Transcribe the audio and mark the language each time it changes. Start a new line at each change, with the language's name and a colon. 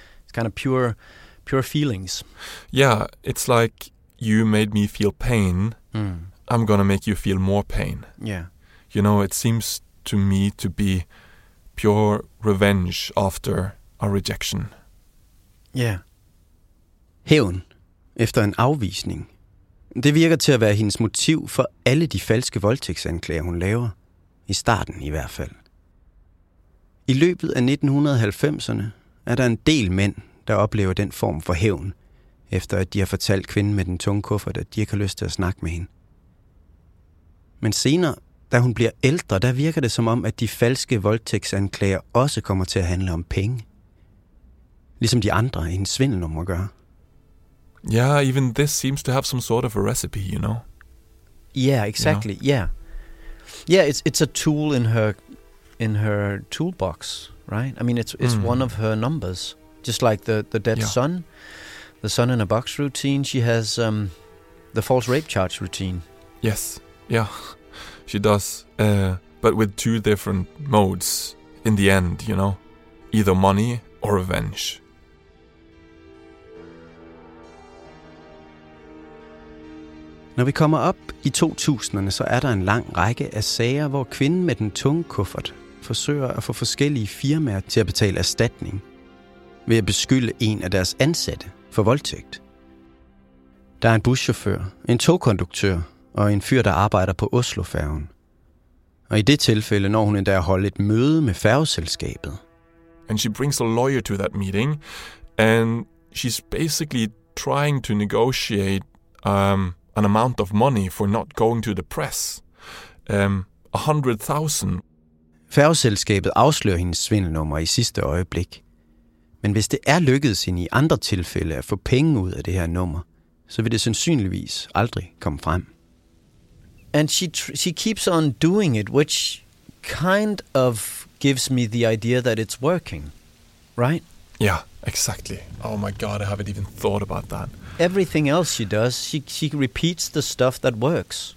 English: It's kind of pure feelings. Yeah, it's like you made me feel pain. I'm gonna make you feel more pain. Yeah. You know, it seems to me to be pure revenge after a rejection. Yeah.
Danish: Hævn efter en afvisning. Det virker til at være hendes motiv for alle de falske voldtægtsanklager, hun laver. I starten I hvert fald. I løbet af 1990'erne der en del mænd, der oplever den form for hævn, efter at de har fortalt kvinden med den tunge kuffert, at de ikke har lyst til at snakke med hende. Men senere, da hun bliver ældre, der virker det som om, at de falske voldtægtsanklager også kommer til at handle om penge. Ligesom de andre I hendes svindelnummer gør.
English: Yeah, even this seems to have some sort of a recipe, you know? Yeah, exactly. You know? Yeah. Yeah, it's a tool in her toolbox, right? I mean, it's one of her numbers, just like the dead son, the son in a box routine, she has the false rape charge routine. Yes. Yeah. She does but with two different modes in the end, you know? Either money or revenge.
Danish: Når vi kommer op I 2000'erne, så der en lang række af sager, hvor kvinden med den tunge kuffert forsøger at få forskellige firmaer til at betale erstatning ved at beskylde en af deres ansatte for voldtægt. Der er en buschauffør, en togkonduktør og en fyr, der arbejder på Oslofærgen. Og i det tilfælde når hun endda at holde et møde med færgeselskabet.
English: And she brings a lawyer to that meeting, and she's basically trying to negotiate an amount of money for not going to the press. 100,000.
Danish: Færgeselskabet afslører hendes svindelnummer i sidste øjeblik. Men hvis det er lykkedes hende i andre tilfælde at få penge ud af det her nummer, så vil det sandsynligvis aldrig komme frem.
English: And she keeps on doing it, which kind of gives me the idea that it's working, right? Yeah, exactly. Oh my God, I haven't even thought about that. Everything else she does, she repeats the stuff that works.